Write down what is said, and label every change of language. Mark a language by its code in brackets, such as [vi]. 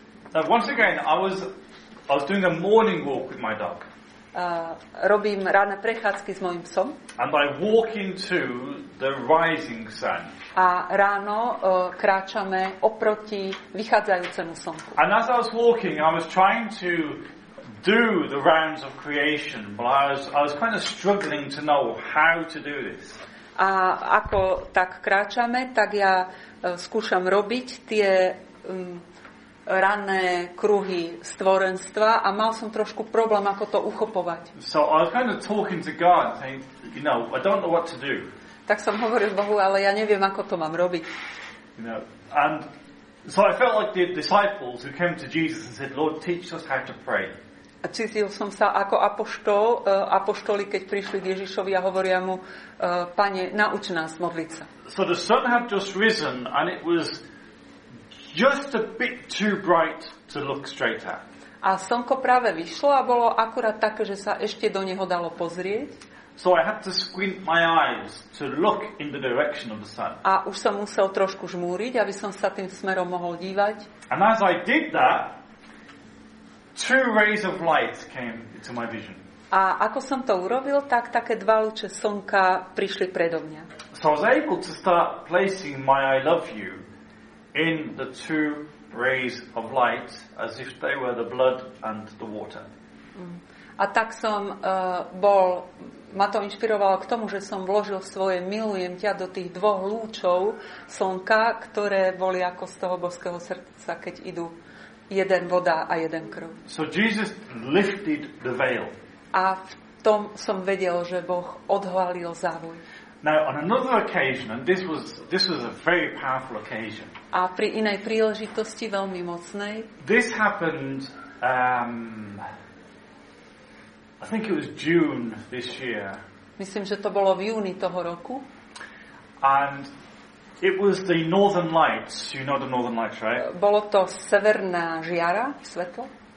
[en] Now, once again, I was doing a morning walk with my dog. [sk] Robím ranné prechádzky s mojim psom. [en] And by walking to the rising sun. [sk] A ráno kráčame oproti vychádzajúcemu slnku. [en] And as I was walking, I was trying to do the rounds of creation, but I was kind of struggling to know how to do this. [sk] A ako tak kráčame, tak ja skúšam robiť tie ranné kruhy stvorenstva a mal som trošku problém, ako to uchopovať. [en] So I was kind of talking to God, saying, you know, I don't know what to do. [sk] Tak som hovoril Bohu, ale ja neviem, ako to mám robiť. [en] You know, and so I felt like the disciples who came to Jesus and said, Lord, teach us how to pray. [sk] A cítil som sa ako apoštol, apoštoli, keď prišli k Ježišovi a hovoria mu, Pane, nauč nás modliť sa. [en] So the sun had just risen and it was just a bit too bright to look straight at. [sk] A slnko práve vyšlo a bolo akurát také, že sa ešte do neho dalo pozrieť. [en] So I had to squint my eyes to look in the direction of the sun. [sk] A už som musel trošku žmúriť, aby som sa tým smerom mohol dívať. [en] And as I did that, two rays of light came into my vision. [sk] A ako som to urobil, tak také dva lúče slnka prišli predo mňa. [en] So I was able to start placing my I love you in the two rays of light as if they were the blood and the water. [sk] A tak som bol, ma to inšpirovalo k tomu, že som vložil svoje milujem ťa do tých dvoch lúčov slnka, ktoré boli ako z toho božského srdca, keď idú jeden voda a jeden krv. [en] So Jesus lifted the veil. [sk] A v tom som vedel, že Boh odhalil závoj. [en] Now on another occasion, and this was a very powerful occasion. [sk] A pri inej príležitosti veľmi mocnej. [en] This happened I think it was June this year. [sk] Myslím, že to bolo v júni toho roku. [en] And it was the Northern Lights. You know the Northern Lights, right? [sk] Bolo to severná žiara, svetlo.